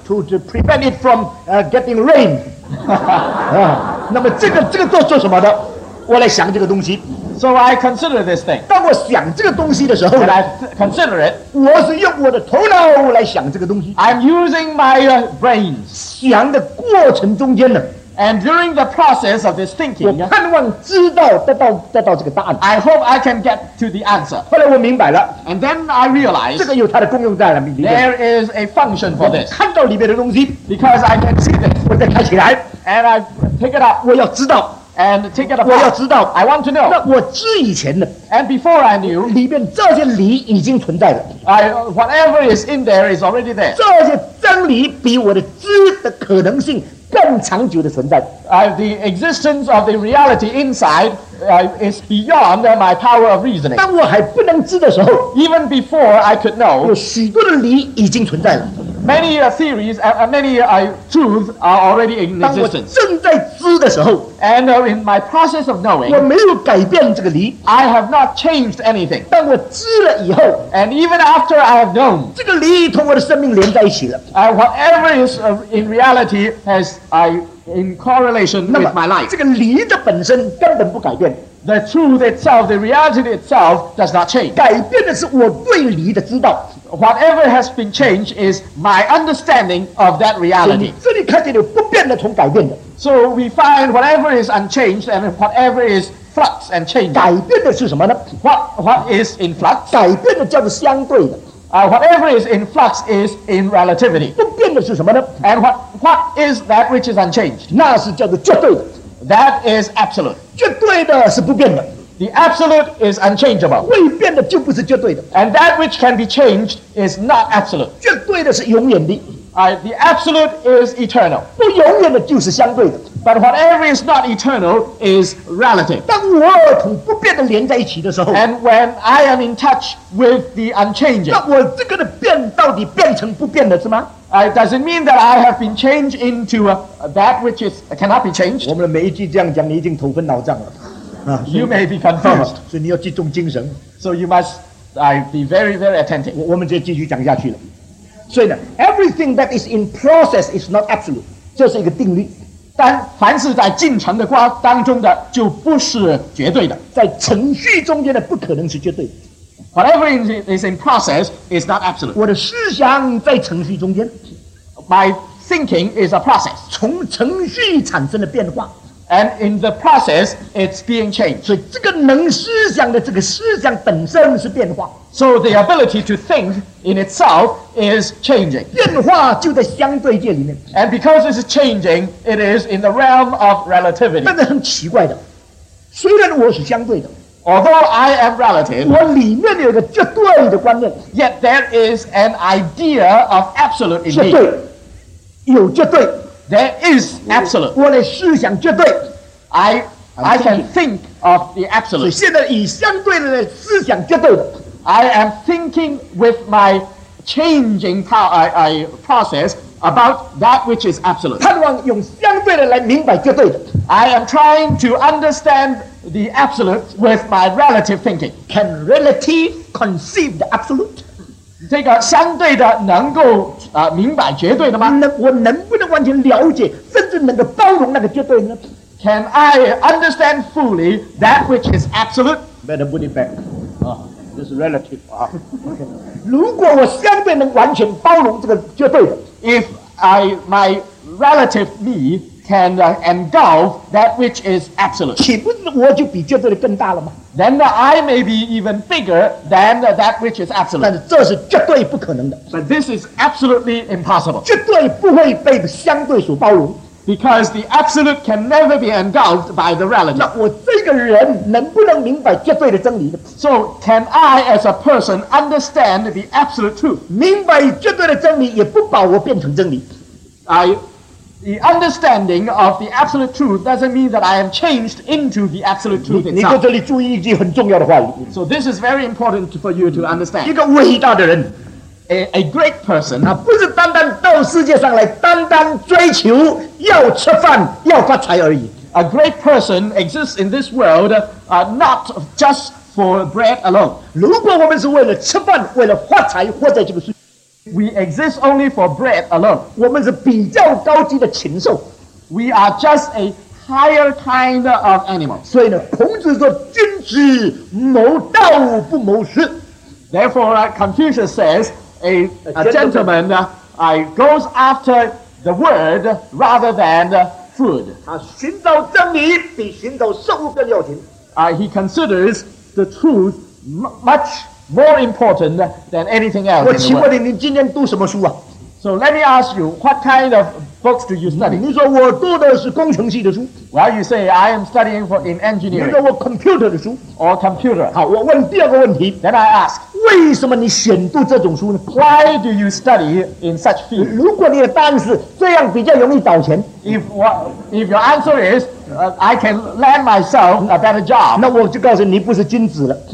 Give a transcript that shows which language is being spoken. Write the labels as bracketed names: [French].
[English] To prevent it from getting rain. [Chinese] 那么这个做什么的我来想这个东西。 [English] So I consider this thing. [Chinese] 当我想这个东西的时候 [English] I consider it. [Chinese] 我是用我的头脑来想这个东西。 [English] I'm using my brains. [Chinese] 想的过程中间呢。 [English] And during the process of this thinking, [Chinese] 我盼望知道得到这个答案。 [English] I hope I can get to the answer. [Chinese] 后来我明白了。 [English] And then I realize. [Chinese] 这个有它的功用在里面。 [English] There is a function for this. [Chinese] 看到里面的东西。 [English] Because I can see this. [Chinese] 我再开起来。 [English] And I pick it up. [Chinese] 我要知道。 [English] And take it apart. [Chinese] 我要知道 [English] I want to know. [Chinese] 那我知以前的 [English] And before I knew, [Chinese] 里面这些理已经存在了 [English] Whatever is in there is already there. [Chinese] 这些真理比我的知的可能性更长久的存在 [English] The existence of the reality inside is beyond my power of reasoning. [Chinese] 当我还不能知的时候 [English] Even before I could know, [Chinese] 有许多的理已经存在了 [English] Many theories, many truths are already in existence. [Chinese] 当我正在知的时候 [English] ，and in my process of knowing, [Chinese] 我没有改变这个理 [English] I have not changed anything. [Chinese] 当我知了以后 [English] ，and even after I have known, [Chinese] 这个理同我的生命连在一起了。 [English] Whatever is in reality has in correlation with my life. [Chinese] 这个理的本身根本不改变。 [English] The truth itself, the reality itself, does not change. [Chinese] 改变的是我对理的知道。 [English] Whatever has been changed is my understanding of that reality. [Chinese] 这里看见有不变的同改变的。 [English] So we find whatever is unchanged and whatever is flux and change. [Chinese] 改变的是什么呢 [English] What is in flux? [Chinese] 改变的叫做相对的。 [English] Whatever is in flux is in relativity. [Chinese] 不变的是什么呢 [English] And what is that which is unchanged? [Chinese] 那是叫做绝对的。 [English] That is absolute. [Chinese] 绝对的是不变的。 [English] The absolute is unchangeable. [Chinese] 未变的就不是绝对的。 [English] And that which can be changed is not absolute. [Chinese] 绝对的是永远的。 [English] The absolute is eternal. [Chinese] 不永远的就是相对的。 [English] But whatever is not eternal is relative. [Chinese] 当我同不变的连在一起的时候 [English] And when I am in touch with the unchanging. [Chinese] 那我这个的变到底变成不变的是吗？ [English] Does it mean that I have been changed into that which is cannot be changed? [Chinese] 我们的每一句这样讲，你已经头昏脑胀了。 [English] You may be confused. [Chinese] 所以你要集中精神。 [English] So you must be very, very attentive. [Chinese] 我们就继续讲下去了。所以呢 [English] ，everything that is in process is not absolute. [Chinese] 这是一个定律。但凡是在进程的当中的，就不是绝对的。在程序中间的，不可能是绝对的。 [English] Whatever is in process is not absolute. [Chinese] 我的思想在程序中间。 [English] My thinking is a process. [Chinese] 从程序产生的变化。 [English] And in the process, it's being changed. [Chinese] 所以这个能思想的这个思想本身是变化。 [English] So the ability to think in itself is changing. [Chinese] 变化就在相对界里面。 [English] And because it's changing, it is in the realm of relativity. [Chinese] 但是很奇怪的，虽然我是相对的。 [English] Although I am relative, [Chinese] 我里面有个绝对的观念。 [English] Yet there is an idea of absolute in me. [Chinese] 绝对，有绝对。 [English] There is absolute. [Chinese] 我的思想绝对。 [English] I can think of the absolute. [Chinese] 所以现在以相对的思想绝对的。 [English] I am thinking with my changing power, process. About that which is absolute. [Chinese] 盼望用相对的来明白绝对的。 [English] I am trying to understand the absolute with my relative thinking. Can relative conceive the absolute? [Chinese] 这个相对的能够明白绝对的吗？我能不能完全了解，甚至能够包容那个绝对呢？ [English] Can I understand fully that which is absolute? Better put it back. This is relative. [Chinese] 如果我相对能完全包容这个绝对的。 [English] If my relative me can engulf that which is absolute, [Chinese] 岂不是我就比绝对的更大了吗 [English] ？Then I may be even bigger than that which is absolute. [Chinese] 但是这是绝对不可能的。 [English] But this is absolutely impossible. [Chinese] 绝对不会被相对所包容。 [English] Because the absolute can never be engulfed by the relative. So can I as a person understand the absolute truth? The understanding of the absolute truth doesn't mean that I am changed into the absolute truth itself. So this is very important for you to understand. [Chinese] 一个伟大的人, [English] a great person, [Chinese] 不是单单到世界上来单单追求要吃饭要发财而已。 [English] A great person exists in this world not just for bread alone. [Chinese] 如果我们是为了吃饭为了发财活在这个世界上, [English] we exist only for bread alone. [Chinese] 我们是比较高级的禽兽。 [English] We are just a higher kind of animal. [Chinese] 所以呢, 孔子说, 君子谋道不谋事。 [English] Therefore, Confucius says, a gentleman goes after the word rather than the food. [Chinese] 他寻找真理比寻找食物更要紧。 [English] He considers the truth much more important than anything else. [Chinese] 我请问你今天读什么书啊? [English] So let me ask you, what kind of books do you study? [Chinese] 你说我读的是工程系的书。 [English] Well, you say, I am studying in engineering. [Chinese] 你说我computer的书。 [English] Or computer. [Chinese] 好,我问第二个问题。 [English] Then I ask, [Chinese] 为什么你选读这种书呢? [English] Why do you study in such field? [Chinese] 如果你的答案是这样比较容易找钱。 [English] If your answer is, I can land myself a better job. [Chinese] 那我就告诉你,你不是君子了。